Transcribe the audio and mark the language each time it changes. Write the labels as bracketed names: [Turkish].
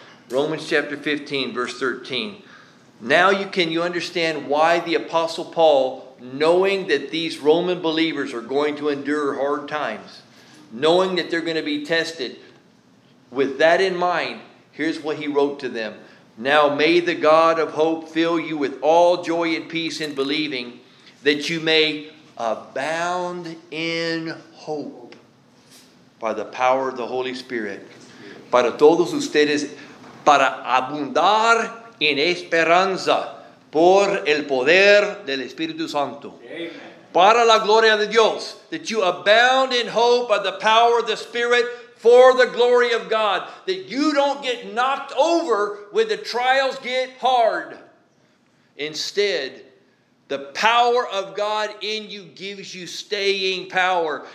[English] Romans chapter 15, verse 13. Now you understand why the Apostle Paul, knowing that these Roman believers are going to endure hard times, knowing that they're going to be tested, with that in mind, here's what he wrote to them. Now may the God of hope fill you with all joy and peace in believing, that you may abound in hope by the power of the Holy Spirit. [Spanish] Para todos ustedes, para abundar en esperanza por el poder del Espíritu Santo. Amen. Para la gloria de Dios, [English] that you abound in hope by the power of the Spirit for the glory of God, that you don't get knocked over when the trials get hard. Instead, the power of God in you gives you staying power.